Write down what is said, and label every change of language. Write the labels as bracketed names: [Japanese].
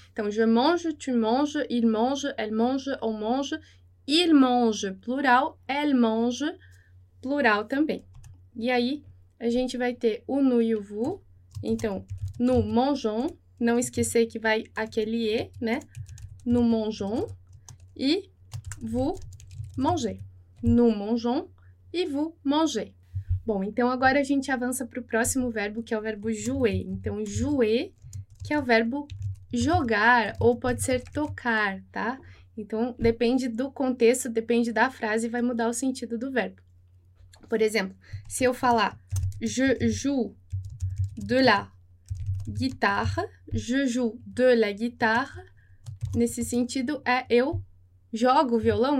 [French] Então, je mange, tu manges, il mange, elle mange, on mange, il mange, plural, elle mange, [Portuguese] plural também. E aí, a gente vai ter o nous e o vous. Então, [French] nous mangeons, [Portuguese] não esquecer que vai aquele e, né? [French] Nous mangeons e vous mangez. Nous mangeons e vous mangez. [Portuguese] Bom, então agora a gente avança para o próximo verbo, que é o verbo jouer. Então, jouer, que é o verbo jogar ou pode ser tocar, tá? Então, depende do contexto, depende da frase, vai mudar o sentido do verbo. Por exemplo, se eu falar [French] je joue de la guitare, [Portuguese] je joue de la guitare, nesse sentido é eu jogo violão?